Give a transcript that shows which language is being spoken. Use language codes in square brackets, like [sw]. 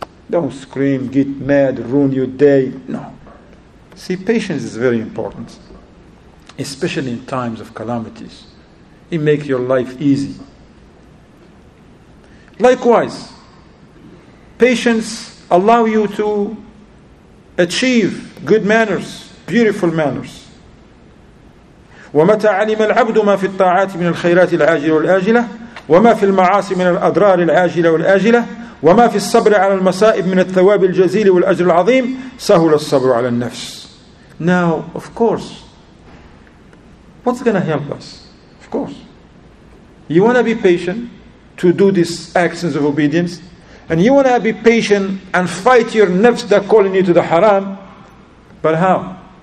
[en] Don't scream, get mad, ruin your day. No. See, patience is very important, especially in times of calamities. It makes your life easy. Likewise, patience allows you to achieve good manners, beautiful manners. [ar] ومتى علم العبد ما في الطاعات من الخيرات العاجلة والآجلة وما في المعاصي من الأضرار العاجلة والآجلة وما في الصبر على المصائب من الثواب الجزيل والأجر العظيم سهل الصبر على النفس. [en] Now, of course, what's going to help us? Of course, you want to be patient to do these actions of obedience, and you want to be patient and fight your nafs that calling you to the haram. But how?